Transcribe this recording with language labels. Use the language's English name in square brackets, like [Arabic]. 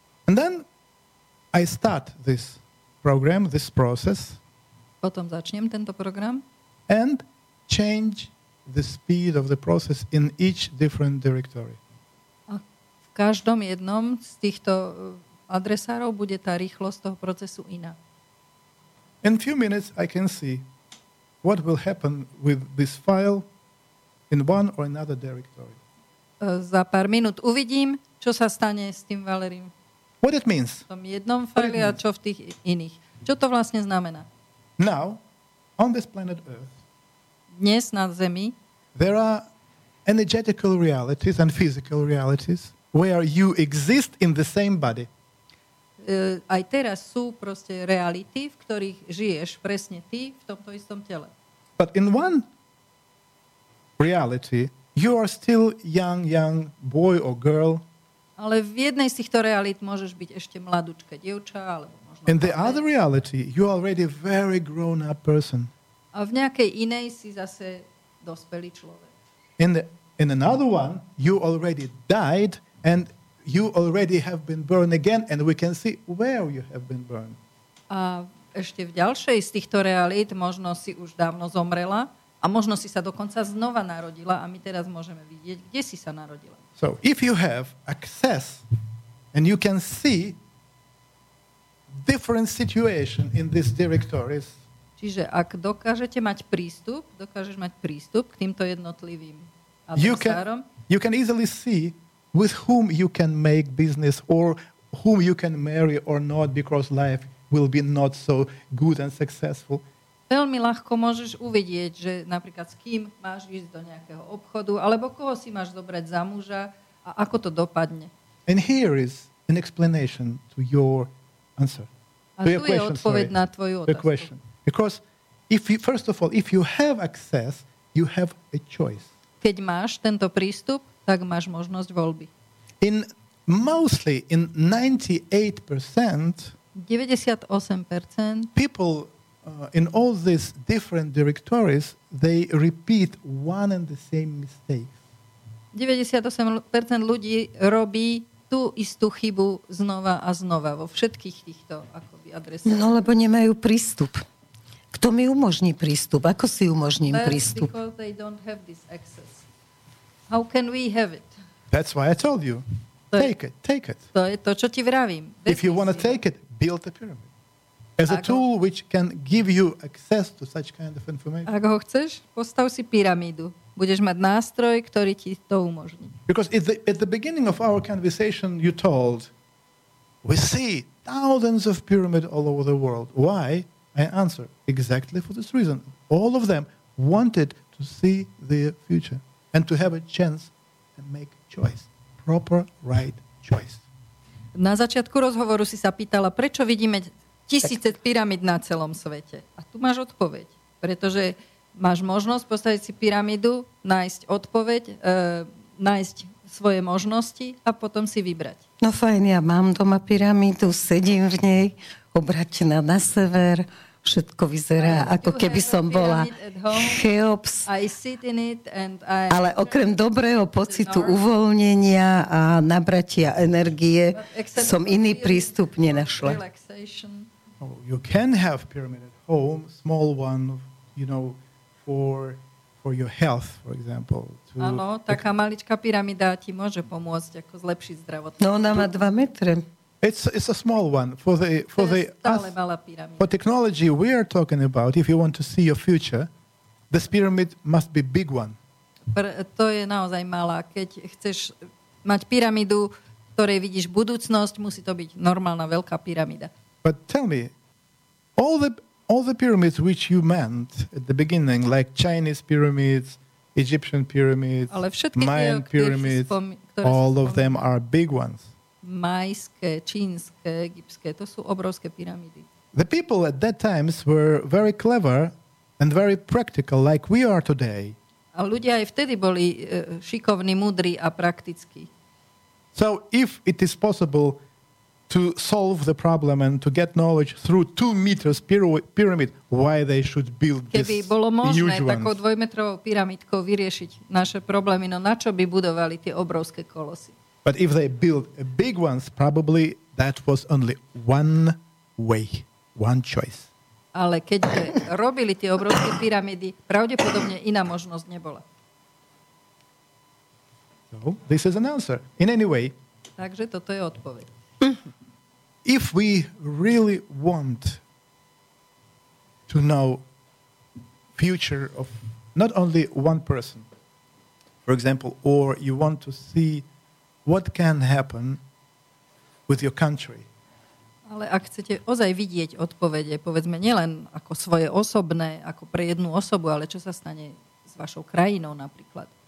[English] And then I start this program, this process. [Slovak] Potom začnem tento program. [English] And change the speed of the process in each different directory. [Slovak] A v každom jednom z týchto adresárov bude tá rýchlosť toho procesu iná. [English] In few minutes I can see what will happen with this file in one or another directory. [Slovak] Za pár minút uvidím, čo sa stane s tým Valerijom. [English] What it means? [Slovak] V tom jednom file a čo v tých iných. Čo to vlastne znamená? [English] Now, on this planet Earth, [Slovak] dnes na Zemi, [English] there are energetical realities and physical realities where you exist in the same body. [Slovak] Aj teraz sú proste reality, v ktorých žiješ presne ty v tomto istom tele. [English] But in one reality, you are still young boy or girl. [Slovak] Ale v jednej z týchto realít môžeš byť ešte mladúčka, dievča, alebo možno... [English] In the other reality, you are already a very grown-up person. [Slovak] A v nejakej inej si zase dospelý človek. [English] In another one, you already died and you already have been born again and we can see where you have been born. [Slovak] A ešte v ďalšej z týchto realít možno si už dávno zomrela a možno si sa dokonca znova narodila a my teraz môžeme vidieť, kde si sa narodila. [English] So, if you have access and you can see different situation in these directories. [Slovak] Čiže ak dokážete mať prístup, dokážeš mať prístup k týmto jednotlivým adresárom. [English] You can easily see with whom you can make business or whom you can marry or not because life will be not so good and successful. [Slovak] Veľmi ľahko môžeš uvidieť, že napríklad s kým máš ísť do nejakého obchodu alebo koho si máš zobrať za muža a ako to dopadne. [English] And here is an explanation to your answer. [Slovak] A tu je odpoveď na tvoju otázku. [English] Because if you have access, you have a choice. [Slovak] Keď máš tento prístup, tak máš možnosť voľby. [English] Mostly in 98%, [Slovak] 98% [English] people in all these different directories, they repeat one and the same mistake. [Slovak] 98% ľudí robí tú istú chybu znova a znova vo všetkých týchto akoby adresách. No lebo nemajú prístup. Kto mi umožní prístup? Ako si umožním [English] That's [Slovak] prístup? [English] Because they don't have this access. How can we have it? That's why I told you. Take it. [Slovak] To je to, čo ti vravím. [English] If you want to take it, build a pyramid. As a tool which can give you access to such kind of information. [Slovak] Ak ho chceš, postav si pyramídu. Budeš mať nástroj, ktorý ti to umožní. [English] Because at the beginning of our conversation you told we see thousands of pyramids all over the world. Why? I answer, exactly for this reason. All of them wanted to see the future and to have a chance to make choice. Proper, right choice. [Slovak] Na začiatku rozhovoru si sa pýtala, prečo vidíme tisíce pyramid na celom svete. A tu máš odpoveď. Pretože máš možnosť postaviť si pyramidu, nájsť odpoveď, nájsť svoje možnosti a potom si vybrať. No fajn, ja mám doma pyramidu, sedím v nej, obratená na sever, všetko vyzerá, ako keby som bola Cheops. Ale okrem dobrého pocitu uvoľnenia a nabratia energie som iný prístup nenašla. [English] You can have pyramid at home, small one, you know, for your health, for example. [Slovak] Áno, taká maličká pyramída ti môže pomôcť ako zlepšiť zdravotnú. No, ona má 2 metre. [English] It's a small one for technology we are talking about. If you want to see your future, this pyramid must be big one. [Slovak] To je naozaj malá. Keď chceš mať pyramídu, ktorej vidíš budúcnosť, musí to byť normálna veľká pyramída. [English] But tell me, all the pyramids which you meant at the beginning, like Chinese pyramids, Egyptian pyramids, Mayan pyramids, all of them are big ones. [Slovak] Majské, čínske, egyptské, to sú obrovské pyramidy. [English] The people at that times were very clever and very practical, like we are today. [Slovak] A ľudia aj vtedy boli šikovní, múdri a praktickí. [English] So if it is possible to solve the problem and to get knowledge through 2 meters pyramid, why they should build this huge one? [Slovak] Keby bolo možné takou dvojmetrovou pyramidkou vyriešiť naše problémy, no na čo by budovali tie obrovské kolosy? [English] But if they build a big ones, probably that was only one way, one choice. [Slovak] Ale keď robili tie obrovské pyramidy, pravdepodobne iná možnosť nebola. [English] So, this is an answer. In any way. [Slovak] Takže toto je odpoveď. [English] If we really want to know future of not only one person, for example, or you want to see what can happen with your country. [Slovak] Ale ak chcete ozaj vidieť odpovede, povedzme nielen ako svoje osobné, ako pre jednu osobu, ale čo sa stane s vašou krajinou napríklad.